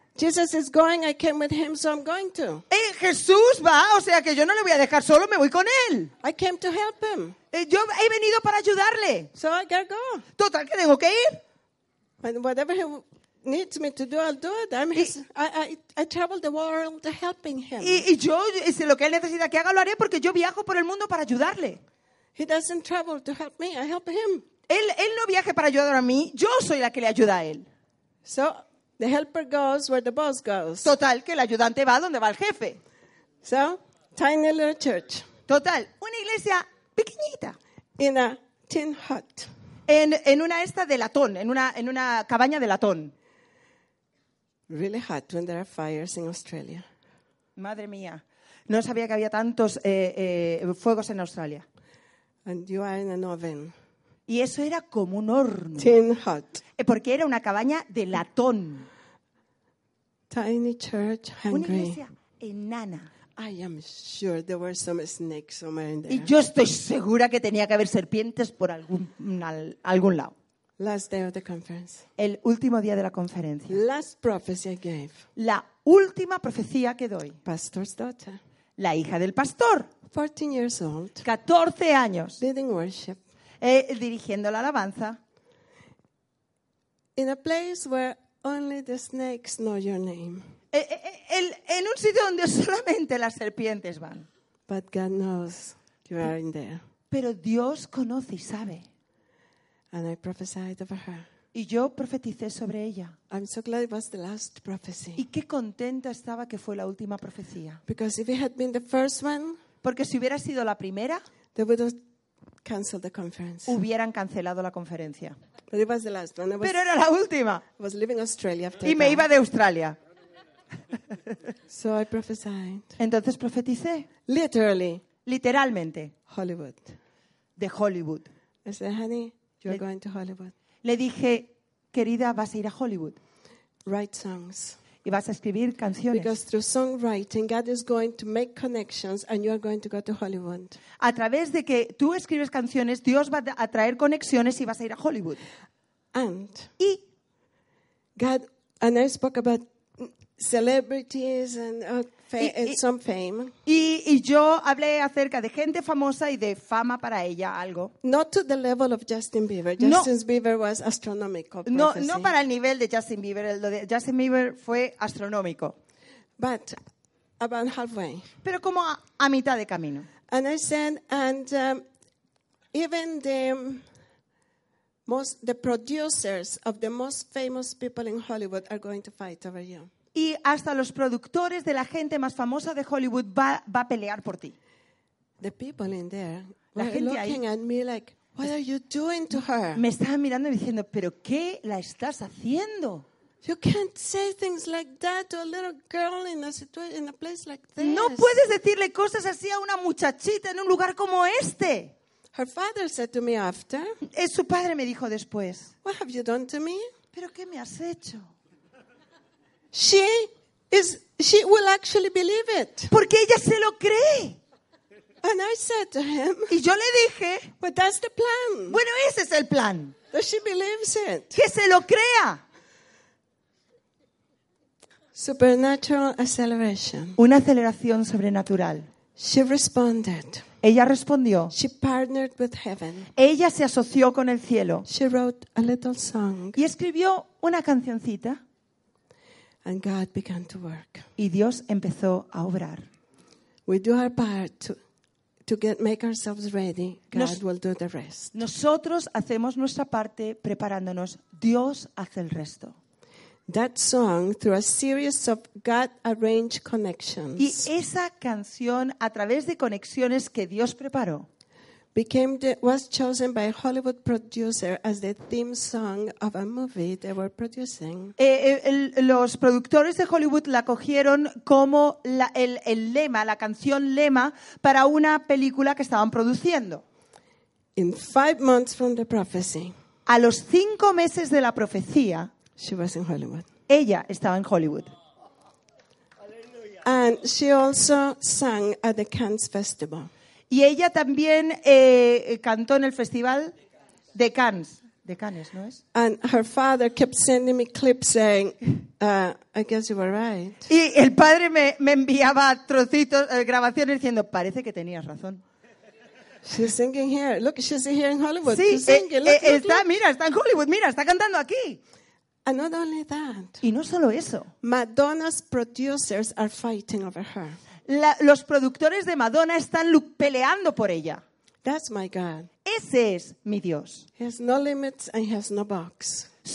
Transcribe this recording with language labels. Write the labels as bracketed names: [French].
[English] Jesus is going, I came with him, so I'm going to. [Spanish] Jesús va, o sea que yo no le voy a dejar solo, me voy con él. [English] I came to help him. [Spanish] Yo he venido para ayudarle. [English] So I gotta go. [Spanish] Total, que tengo que ir. [English] And whatever he needs me to do, I'll do it. I travel the world helping him. [Spanish] Y si lo que él necesita que haga lo haré porque yo viajo por el mundo para ayudarle. [English] He doesn't travel to help me, I help him. [Spanish] Él no viaja para ayudar a mí, yo soy la que le ayuda a él. [English] So the helper goes where the boss goes. [Spanish] Total, que el ayudante va donde va el jefe. [English] So tiny little church. [Spanish] Total, una iglesia pequeñita. [English] In a tin hut. [Spanish] En una esta de latón, en una cabaña de latón. [English] Really hot when there are fires in Australia. [Spanish] Madre mía, no sabía que había tantos fuegos en Australia. [English] And you are in an oven. [Spanish] Y eso era como un horno. [English] Tin hut. [Spanish] Porque era una cabaña de latón. [English] Tiny church, hungry. [Spanish] Una iglesia enana. [English] I am sure there were some snakes somewhere in there. [Spanish] Y yo estoy segura que tenía que haber serpientes por algún lado. [English] Last day of the conference. [Spanish] El último día de la conferencia. [English] Last prophecy I gave. [Spanish] La última profecía que doy. [English] Pastor's daughter. [Spanish] La hija del pastor. [English] 14 years old. [Spanish] 14 años. [English] Leading worship. [Spanish] Dirigiendo la alabanza. [English] In a place where only the snakes know your name. [Spanish] En un sitio donde solamente las serpientes van. [English] But God knows you are in there. [Spanish] Pero Dios conoce y sabe. [English] And I prophesied over her. [Spanish] Y yo profeticé sobre ella. [English] I'm so glad it was the last prophecy. [Spanish] Y qué contenta estaba que fue la última profecía. [English] Because if it had been the first one, [Spanish] porque si hubiera sido la primera, [English] they would have canceled the conference. [Spanish] Hubieran cancelado la conferencia. [English] But it was the last one. [Spanish] Pero era la última. [English] I was living in Australia after [Spanish] y me iba de Australia. [English] So I prophesied. [Spanish] Entonces profeticé. [English] Literally. [Spanish] Literalmente. [English] Hollywood. [Spanish] De Hollywood. [English] I said, honey, you're going to Hollywood. [Spanish] Le dije, querida, vas a ir a Hollywood. [English] Write songs. [Spanish] Y vas a escribir canciones. [English] Because through songwriting, God is going to make connections, and you are going to go to Hollywood. [Spanish] A través de que tú escribes canciones, Dios va a traer conexiones y vas a ir a Hollywood. [English] And [Spanish] y [English] God, and I spoke about celebrities and some fame. [Spanish] Y yo hablé acerca de gente famosa y de fama para ella, algo. [English] Not to the level of Justin Bieber. [Spanish] No. [English] Justin Bieber was astronomical. [Spanish] No, no para el nivel de Justin Bieber. Lo de Justin Bieber fue astronómico. [English] But about halfway. [Spanish] Pero como a mitad de camino. [English] And I said, and even the producers of the most famous people in Hollywood are going to fight over you. [Spanish] Y hasta los productores de la gente más famosa de Hollywood va a pelear por ti. [English] The people in there, [Spanish] la gente [English] looking [Spanish] ahí, [English] at me like, what are you doing to her? [Spanish] Me estaban mirando y diciendo, ¿pero qué la estás haciendo? [English] You can't say things like that to a little girl in a situation, in a place like this. [Spanish] No puedes decirle cosas así a una muchachita en un lugar como este. [English] Her father said to me after. [Spanish] Su padre me dijo después. [English] What have you done to me? [Spanish] ¿Pero qué me has hecho? [English] She will actually believe it. [Spanish] Porque ella se lo cree. [English] And I said to him. [Spanish] Y yo le dije. [English] But that's the plan. [Spanish] Bueno, ese es el plan. [English] That she believes it. [Spanish] Que se lo crea. [English] Supernatural acceleration. [Spanish] Una aceleración sobrenatural. [English] She responded. [Spanish] Ella respondió. [English] She partnered with heaven. [Spanish] Ella se asoció con el cielo. [English] She wrote a little song. [Spanish] Y escribió una cancioncita. [English] And God began to work. [Spanish] Y Dios empezó a obrar. [English] We do our part to make ourselves ready. God will do the rest. [Spanish] Nosotros hacemos nuestra parte preparándonos. Dios hace el resto. [English] That song through a series of God-arranged connections. [Spanish] Y esa canción a través de conexiones que Dios preparó. [English] Was chosen by a Hollywood producer as the theme song of a movie they were producing. [Spanish] Los productores de Hollywood la cogieron como la canción lema para una película que estaban produciendo. [English] In 5 months from the prophecy. [Spanish] A los 5 meses de la profecía. [English] She was in Hollywood. [Spanish] Ella estaba en Hollywood. [English] And she also sang at the Cannes Festival. [Spanish] Y ella también cantó en el festival de Cannes. De Cannes, ¿no es? [English] And her father kept sending me clips saying, I guess you were right. [Spanish] Y el padre me enviaba trocitos, grabaciones diciendo, parece que tenías razón. [English] She's singing here. Look, she's here in Hollywood. [Spanish] Sí, [English] she's singing. Look, [Spanish] está, [English] look. [Spanish] Mira, está en Hollywood. Mira, está cantando aquí. [English] And not only that. [Spanish] Y no solo eso. [English] Madonna's producers are fighting over her. [Spanish] Los productores de Madonna están peleando por ella. [English] That's my God. [Spanish] Ese es mi Dios. [English] He has no limits and he has no box.